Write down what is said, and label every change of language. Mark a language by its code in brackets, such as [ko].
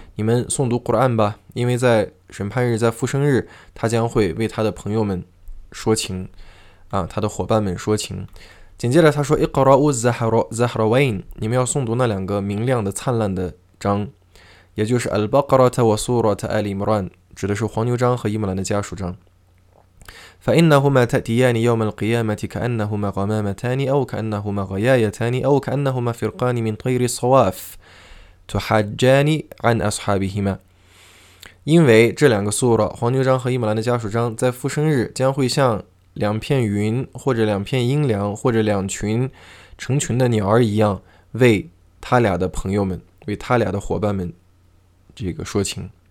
[zh] 你们诵读 Quran 吧，因为在审判日，在复生日，他将会为他的朋友们说情，他的伙伴们说情。紧接着他说： [ar] Iqra'ul Zahrawain， [zh] 你们要诵读那两个明亮的、灿烂的章，也就是 Al-Baqarah wa Surat Ali Imran，指的是黄牛章和伊姆兰的家属章。” [ar] فإنهما تأتيان يوم القيامة كأنهما غمامتان أو كأنهما غيايتان أو كأنهما فرقان من طير الصواف تحاجان عن أصحابهما。 [zh] 因为这两个 Sura 黄牛章和伊姆兰的家属章在复生日将会像两片云或者两片阴凉或者两群成群的鸟儿一样为他俩的朋友们为他俩的伙伴们这个说情。